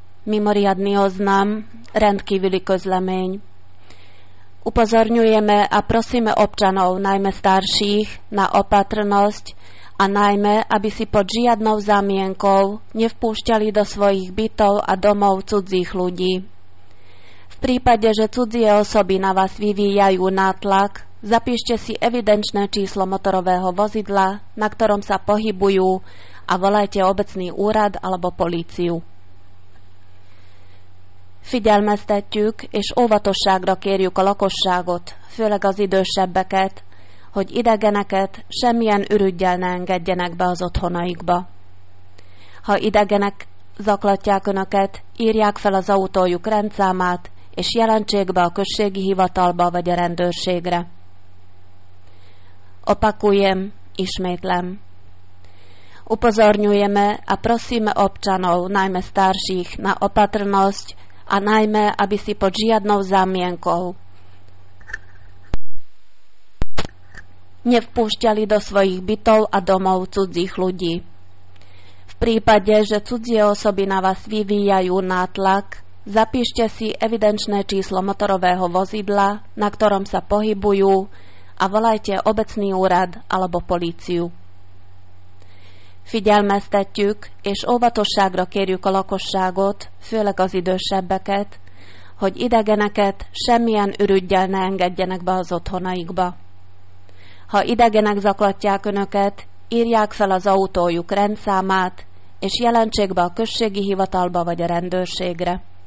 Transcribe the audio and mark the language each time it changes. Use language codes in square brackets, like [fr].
[sk] mimoriadny oznam, rendký veľkosť lameň. Upozorňujeme a prosíme občanov, najmä starších, na opatrnosť a najmä, aby si pod žiadnou zamienkou nevpúšťali do svojich bytov a domov cudzích ľudí. V prípade, že cudzie osoby na vás vyvíjajú nátlak, zapíšte si evidenčné číslo motorového vozidla, na ktorom sa pohybujú, a volajte obecný úrad alebo políciu. [hu] Figyelmeztetjük és óvatosságra kérjük a lakosságot, főleg az idősebbeket, hogy idegeneket semmilyen ürüggyel ne engedjenek be az otthonaikba. Ha idegenek zaklatják önöket, írják fel az autójuk rendszámát, és jelentsék be a községi hivatalba vagy a rendőrségre. [sk] Opakujem, [hu] ismétlem. [sk] Upozorňujeme a prosíme občanov, najmä starších, na opatrnosť a najmä, aby si pod žiadnou zámienkou nevpúšťali do svojich bytov a domov cudzích ľudí. V prípade, že cudzie osoby na vás vyvíjajú nátlak, zapíšte si evidenčné číslo motorového vozidla, na ktorom sa pohybujú, a volajte obecný úrad alebo políciu. [hu] Figyelmeztetjük és óvatosságra kérjük a lakosságot, főleg az idősebbeket, hogy idegeneket semmilyen ürüggyel ne engedjenek be az otthonaikba. Ha idegenek zaklatják önöket, írják fel az autójuk rendszámát, és jelentsék be a községi hivatalba vagy a rendőrségre.